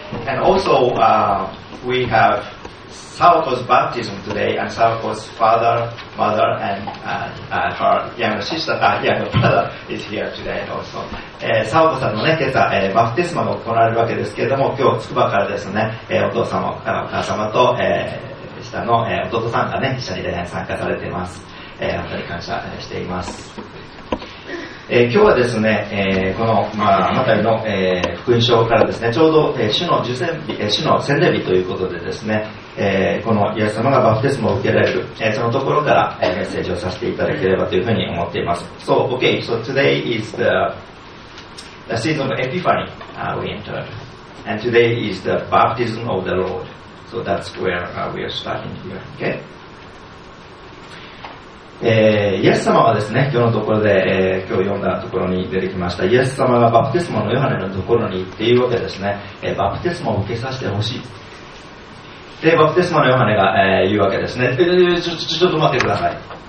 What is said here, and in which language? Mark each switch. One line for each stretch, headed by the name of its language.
English: And also we have Sawako's baptism today, and Sawako's father, mother, and her younger sister, younger brother is here today also.
Japanese: Sawako-san のね、今朝、バプテスマが行われるわけですけれども、今日、つくばからですね、お父様、お母様と、下の、弟さんがね、一緒に、ね、参加されています。本当に感謝しています。今日はですね、この、まあ、マタイの、福音書からですね、ちょうど、主の受洗日、主の洗礼日ということでですね、このイエス様がバプテスマを受けられる、そのところから、メッセージをさせていただければというふうに思っています。
English: So, okay, so today is the season of Epiphany, we entered. And today is the baptism of the Lord. So that's where we are starting here, okay?
Japanese: イエス様はですね、今日のところで、今日読んだところに出てきました。イエス様がバプテスマのヨハネのところに行っているわけですね、バプテスマを受けさせてほしい。で、バプテスマのヨハネが、言うわけですね、ちょっと待ってください。